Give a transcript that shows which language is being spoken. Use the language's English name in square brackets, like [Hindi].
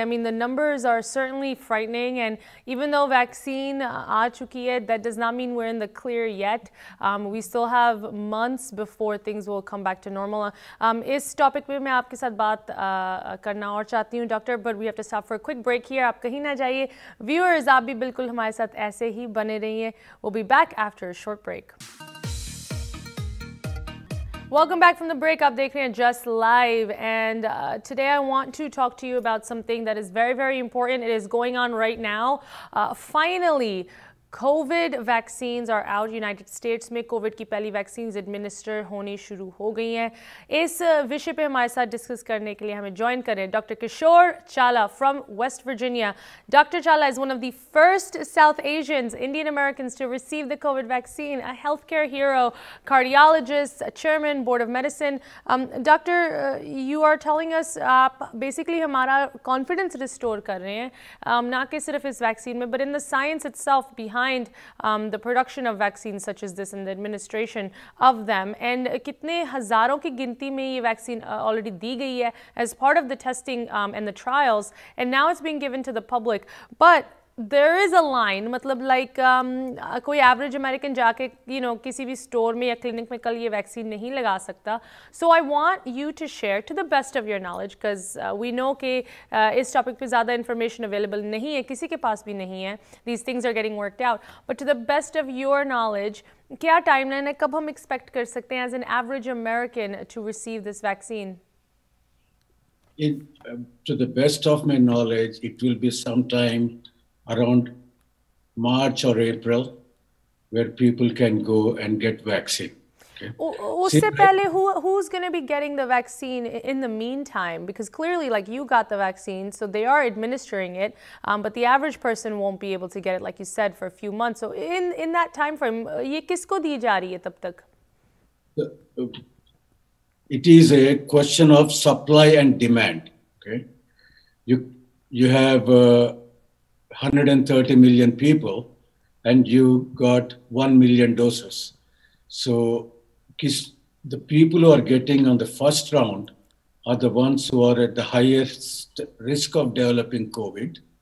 [English] I mean, the numbers are certainly frightening. And even though vaccine [Hindi] aa chuki hai, [English] that does not mean we're in the clear yet. We still have months before things will come back to normal. [Hindi] इस topic पे मैं आपके साथ बात करना और चाहती हूँ, doctor, [English] but we have to stop for a quick break here. [Hindi] आप कहीं न जाइए। व्यूअर्स, आप भी बिल्कुल हमारे साथ ऐसे ही बने रहिए। [English] We'll be back after a short break. Welcome back from the break. [Hindi] आप देख रहे हैं just live. [English] And today I want to talk to you about something that is very, very important. It is going on right now. Finally, COVID vaccines are out. [Hindi] United States में COVID की पहली vaccines administer होनी शुरू हो गई हैं। इस विषय पे हमारे साथ डिस्कस करने के लिए हमें जॉइन करें डॉ. [English] Kishore Challa from West Virginia. Dr. Challa is one of the first South Asians, Indian Americans, to receive the COVID vaccine. A healthcare hero, cardiologist, chairman, board of medicine. Doctor, you are telling us basically [Hindi] हमारा confidence restore कर रहे हैं। [English] Not [Hindi] ke sirf is vaccine mein, [English] but in the science itself behind the production of vaccines such as this and the administration of them. And [Hindi] कितने हज़ारों की गिनती में ये vaccine already दी गई है [English] as part of the testing and the trials, and now it's being given to the public. But there is a line, [Hindi] मतलब like कोई average American जाके, you know, किसी भी store में या clinic में कल ये vaccine नहीं लगा सकता। [English] So I want you to share, to the best of your knowledge, because we know [Hindi] के इस topic पे ज़्यादा information available नहीं है, किसी के पास भी नहीं है। [English] These things are getting worked out. But to the best of your knowledge, [Hindi] क्या timeline है, कब हम expect कर सकते है [English] as an average American to receive this vaccine? To the best of my knowledge, it will be sometime around March or April, where people can go and get vaccine. Who's going to be getting the vaccine in the meantime? Because clearly, like, you got the vaccine, so they are administering it, but the average person won't be able to get it, like you said, for a few months. So in that time frame, [Hindi] ये किसको दी जा रही है तब तक? [English] It is a question of supply and demand. Okay, you have 130 million people and you got 1 million doses. So the people who are getting on the first round are the ones who are at the highest risk of developing COVID.